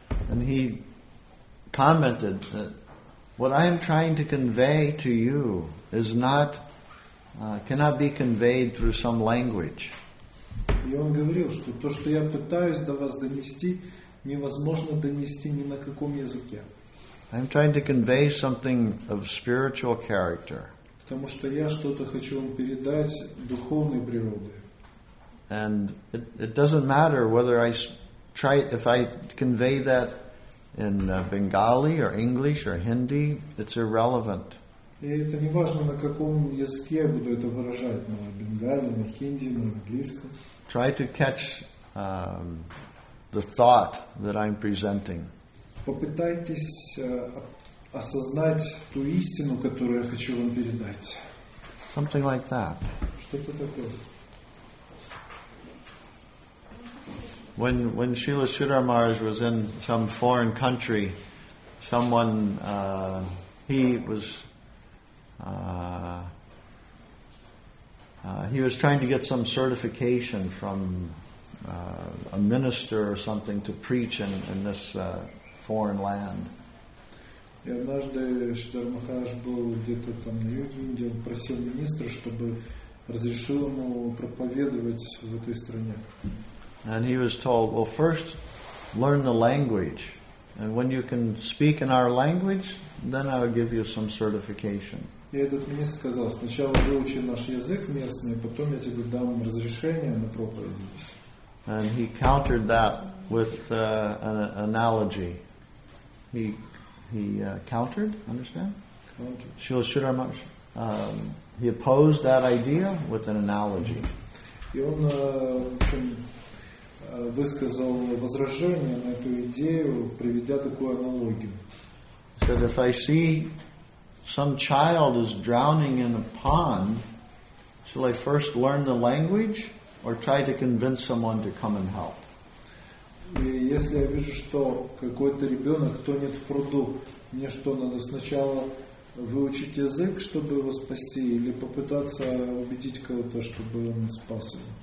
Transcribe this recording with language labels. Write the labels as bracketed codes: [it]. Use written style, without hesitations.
[en] And he commented that what I am trying to convey to you is not cannot be conveyed through some language. [ru] И он говорил, что то, что я пытаюсь до вас донести, невозможно донести ни на каком языке. [en] I'm trying to convey something of spiritual character. [ru] Потому что я что-то хочу вам передать духовной природы. [en] And it doesn't matter whether I try if I convey that in Bengali or English or Hindi, it's irrelevant. [ru] И это не важно, на каком языке я буду это выражать, на бенгали, на хинди, на английском. [en] Try to catch the thought that I'm presenting. [ru] Попытайтесь осознать ту истину, которую я хочу вам передать. [en] Something like that. [ru] Что-то такое. [en] When Srila Sridhar Maharaj was in some foreign country, someone he was trying to get some certification from a minister or something to preach in this foreign land. [ru] И однажды Шридхар Махарадж был где-то там на юге Индии, он просил министра, чтобы разрешил ему проповедовать в этой стране. [en] And he was told, well, first learn the language, and when you can speak in our language, then I will give you some certification. [ru] И этот министр сказал, сначала выучи наш язык местный, потом я тебе дам разрешение на проповедь здесь. [en] And he countered that with an analogy. He countered, understand? Countered. He opposed that idea with an analogy. [ru] И он высказал возражение на эту идею, приведя такую аналогию. [en] He said, if I see some child is drowning in a pond, Shall I first learn the language or try to convince someone to come and help? [ru] И если я вижу, что какой-то ребенок тонет в пруду, мне что, надо сначала выучить язык, чтобы его спасти, или попытаться убедить кого-то, чтобы он спас его?